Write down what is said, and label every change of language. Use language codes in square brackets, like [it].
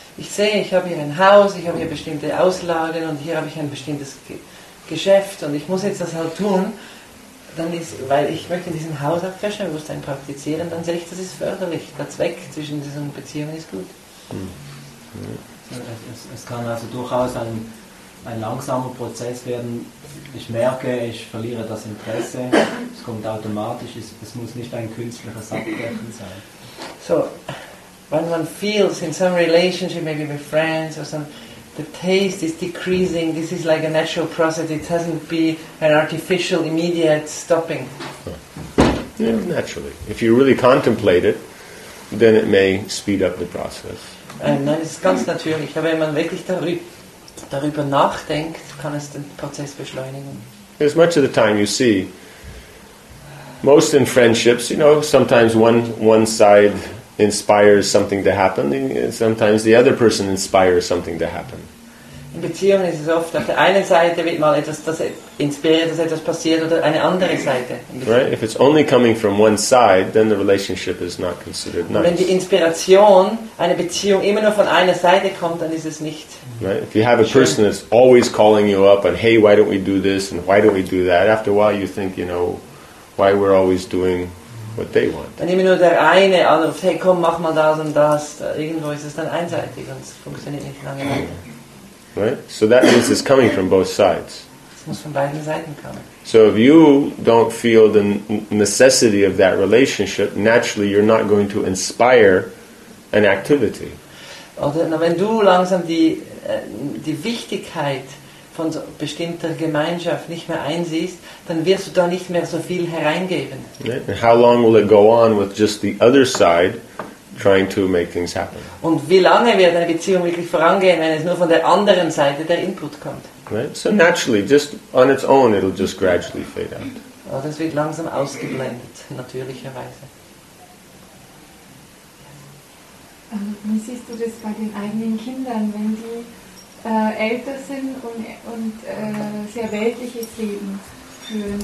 [de] Ich sehe, ich habe hier ein Haus, ich habe hier bestimmte Auslagen, und hier habe ich ein bestimmtes Geschäft, und ich muss jetzt das halt tun, dann ist, weil ich möchte in diesem Haus auch Krishna-Bewusstsein praktizieren, dann sehe ich, das ist förderlich, der Zweck zwischen diesen Beziehungen ist gut. Es kann also durchaus ein langsamer Prozess werden. Ich merke, ich verliere das Interesse. Es kommt automatisch. Es muss nicht ein künstliches Abbrechen sein. [en] So, when one feels in some relationship, maybe with friends or some, the taste is decreasing. This is like a natural process. It doesn't be an artificial, immediate stopping. Yeah, naturally. If you really contemplate it, then it may speed up the process. [de] Nein, es ist ganz natürlich. Aber wenn man wirklich darüber nachdenkt, kann es den Prozess beschleunigen. [en] As much of the time you see, most in friendships, you know, sometimes one side inspires something to happen, sometimes the other person inspires something to happen. [de] In Beziehungen ist es oft, auf der einen Seite wird mal etwas, das inspiriert, dass etwas passiert, oder eine andere Seite. [en] Right? If it's only coming from one side, then the relationship is not considered nice. [de] Wenn die Inspiration einer Beziehung immer nur von einer Seite kommt, dann ist es nicht. [en] Right? If you have a person that's always calling you up and, hey, why don't we do this and why don't we do that? After a while you think, you know, why we're always doing what they want. [de] Wenn immer nur der eine anruft, hey, komm, mach mal das und das, irgendwo ist es dann einseitig und es funktioniert nicht lange. [en] Right? So that means it's coming from both sides. [de] Es muss von beiden Seiten kommen. [en] So if you don't feel the necessity of that relationship, naturally you're not going to inspire an activity. [de] Oder wenn du langsam die Wichtigkeit von so bestimmter Gemeinschaft nicht mehr einsiehst, dann wirst du da nicht mehr so viel hereingeben. [en] Right? And how long will it go on with just the other side trying to make things happen? [de] Und wie lange wird eine Beziehung wirklich vorangehen, wenn es nur von der anderen Seite der Input kommt? [en] Right? So naturally, just on its own, it'll just gradually fade out. [de] Oh, das wird langsam ausgeblendet, natürlicherweise. Wie siehst du das bei den eigenen Kindern, wenn die älter sind und sehr weltliches Leben führen?